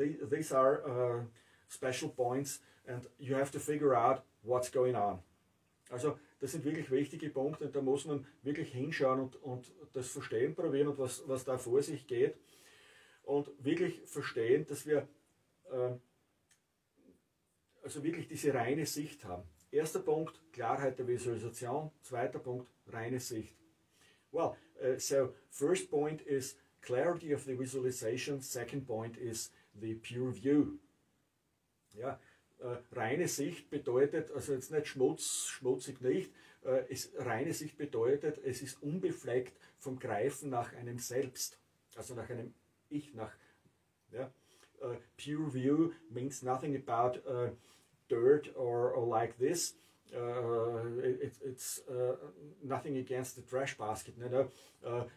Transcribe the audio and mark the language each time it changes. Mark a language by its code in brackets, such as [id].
[en] These are special points, and you have to figure out what's going on. [de] Also, das sind wirklich wichtige Punkte, und da muss man wirklich hinschauen und das Verstehen probieren und was da vor sich geht. Und wirklich verstehen, dass wir also wirklich diese reine Sicht haben. Erster Punkt, Klarheit der Visualisation. Zweiter Punkt, reine Sicht. [en] Well, so first point is clarity of the visualization. Second point is the pure view. [de] Ja, reine Sicht bedeutet, also jetzt nicht schmutzig nicht, reine Sicht bedeutet, es ist unbefleckt vom Greifen nach einem Selbst, also nach einem Ich, nach, ja. [en] Pure view means nothing about dirt or like this, it's nothing against the trash basket, no, no.